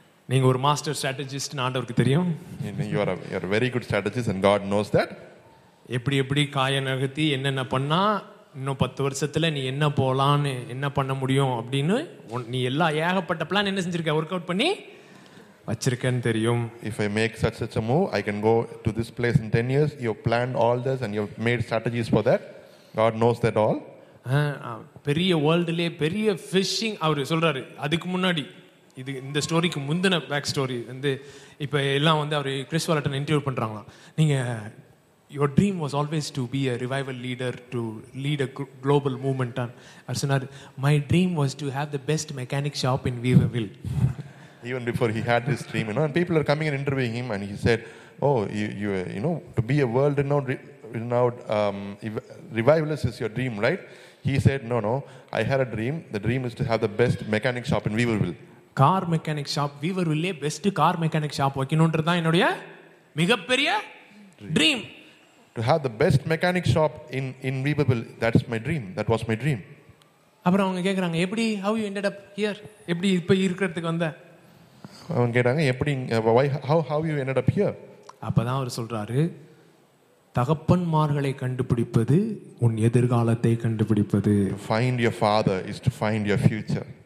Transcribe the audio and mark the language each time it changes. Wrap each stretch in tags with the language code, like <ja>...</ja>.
<ta>நீங்க ஒரு master strategist ஆண்டவருக்கு தெரியும்.</ta> <en>You are a very good strategist and God knows that.</en> <ta>எப்படி எப்படி காய நகர்த்தி என்னென்ன பண்ணா இன்னும் 10 வருஷத்துல நீ என்ன போலான்னு என்ன பண்ண முடியும் அப்படின்னு நீ எல்லா ஏகப்பட்ட பிளான் என்ன செஞ்சிருக்க ஒர்க் அவுட் பண்ணி வச்சிருக்கேன்னு தெரியும்.</ta> <en>If I make such a move, I can go to this place in 10 years. You have planned all this and you have made strategies for that. God knows that all.</en> <ta>பெரிய வேர்ல்டிலே பெரிய phishing அவர் சொல்றாரு. அதுக்கு முன்னாடி இது இந்த ஸ்டோரிக்கு முந்தின back story வந்து இப்ப எல்லாம் வந்து அவர் கிறிஸ் வாலட்டன் இன்டர்வியூ பண்றாங்களாம். நீங்க</ta> <en>your dream was always to be a revival leader, to lead a global movement. Arsenal, my dream was to have the best mechanic shop in Weaverville. Even before he had this dream, you know, and people are coming and interviewing him, and he said, oh, you know, to be a world renowned revivalist is your dream, right? He said, no, I had a dream. The dream is to have the best mechanic shop in Weaverville.</en> <ta>Car mechanic shop Weaverville le</ta> <en>best car mechanic shop</en> <ta>vekkinondradha enudaiya megaperiya dream.</ta> <en>To have the best mechanic shop in Weaverville, that's my dream. That was my dream.</en> <ta>Appo avanga kekkranga eppadi</ta> <en>how you ended up here,</en> <ta>eppadi ipo irukkuradhukku vanda avanga kekkranga eppadi</ta> <en>why how you ended up here.</en> <ta>Appo dhaan avaru solraru தகப்பன்மார்களை கண்டுபிடிப்பது உன் எதிர்காலத்தை கண்டுபிடிப்பது.</ta> <en>To find your father is to find your future.</en>